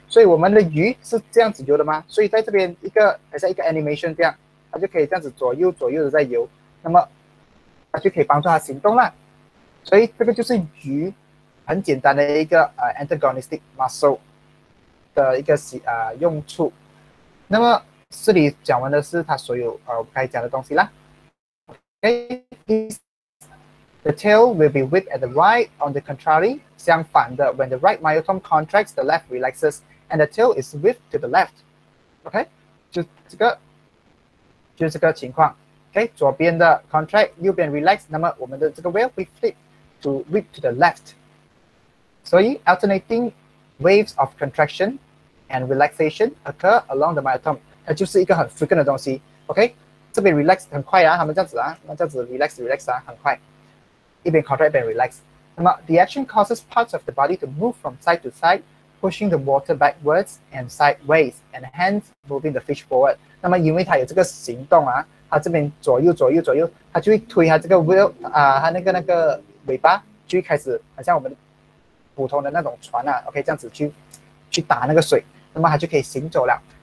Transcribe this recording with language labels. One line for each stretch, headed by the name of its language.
Chinese: 所以我们的鱼是这样子游的吗？所以在这边一个好像一个 animation 这样，它就可以这样子左右左右的在游，那么它就可以帮助它行动了。所以这个就是鱼很简单的一个antagonistic muscle 的一个用处。那么这里讲完的是它所有该讲的东西啦。
English: Okay, the tail will be whipped at the right. On the contrary,
Chinese: 相反的
English: when the right myotome contracts, the left relaxes, and the tail is whipped to the left.
Chinese: Okay, 就这个情况。
English: Okay,
Chinese: 左边的
English: contract,
Chinese: 右边
English: relax.
Chinese: 那么我们的这个
English: whale we flip to whip to the left. 所以 alternating waves of contraction and relaxation occur along the myotome.
Chinese: 它就是一个很 frequent 的东西。Okay. 这边 relax 很快啊，他们这样子啊，那这样子 relax 啊，很快，一边 contract 一边 relax。
English: 那么 the action causes parts of the body to move from side to side, pushing the water backwards and sideways, and hence moving the fish forward。
Chinese: 那么因为它有这个行动啊，它这边左右左右左右，它就会推它这个 wheel 啊，它那个尾巴就会开始，很像我们普通的那种船啊 ，OK 这样子去打那个水，那么它就可以行走了。